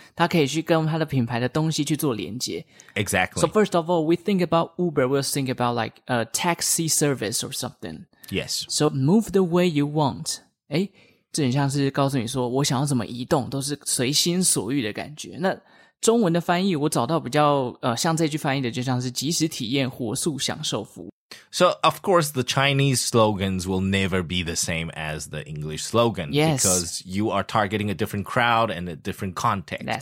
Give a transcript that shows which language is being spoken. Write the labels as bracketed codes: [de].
[zh] 它可以去跟它的品牌的东西去做连接。 [en] Exactly. So first of all, we think about Uber, we'll think about like a taxi service or something. Yes. So move the way you want. [zh] 诶，这很像是告诉你说我想要怎么移动都是随心所欲的感觉。那中文的翻译我找到比较像这句翻译的就像是即时体验火速享受服务。 [en] So, of course, the Chinese slogans will never be the same as the English slogan. Yes. Because you are targeting a different crowd and a different context.